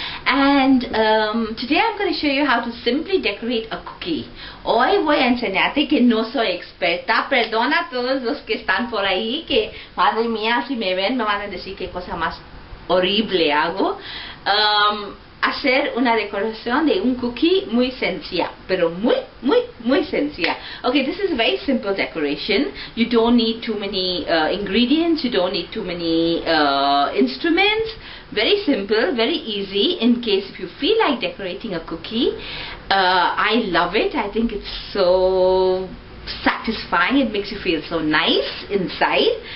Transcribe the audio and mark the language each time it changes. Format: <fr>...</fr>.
<en>And today I'm going to show you how to simply decorate a cookie.</en> <es>Hoy voy a enseñarte que no soy experta. Perdona a todos los que están por ahí, que madre mía, si me ven me van a decir qué cosa más horrible hago. Hacer una decoración de un cookie muy sencilla, pero muy, muy, muy sencilla.</es> <en>Okay, this is a very simple decoration. You don't need too many ingredients, you don't need too many instruments. Very simple, very easy. In case if you feel like decorating a cookie, I love it. I think it's so satisfying. It makes you feel so nice inside.</en>